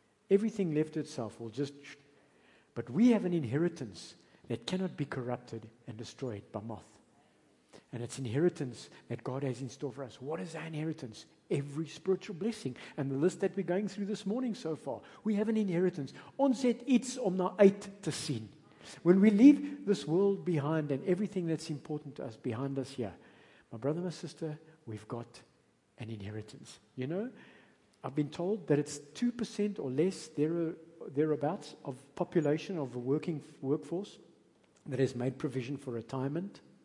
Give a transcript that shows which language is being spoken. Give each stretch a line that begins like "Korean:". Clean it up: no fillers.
English: Everything left itself will just... But we have an inheritance that cannot be corrupted and destroyed by moth. And it's inheritance that God has in store for us. What is our inheritance? Every spiritual blessing. And the list that we're going through this morning so far. We have an inheritance.
Afrikaans: Ons het iets om na uit te sien.
English: When we leave this world behind and everything that's important to us behind us here. My brother, my sister, we've got an inheritance. You know, I've been told that it's 2% or less thereabouts of population of the working workforce that has made provision for retirement.